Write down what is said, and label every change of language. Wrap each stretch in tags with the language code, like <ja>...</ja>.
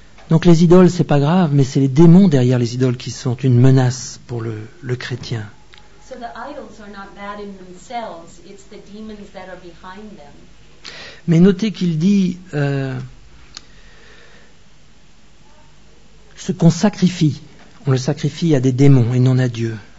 <fr>Donc les idoles, c'est pas grave, mais c'est les démons derrière les idoles qui sont une menace pour le chrétien.</fr> <en>So the idols are not bad in themselves, it's the demons that are behind them.</en> <fr>Mais notez qu'il dit ce qu'on sacrifie, on le sacrifie à des démons et non à Dieu.</fr>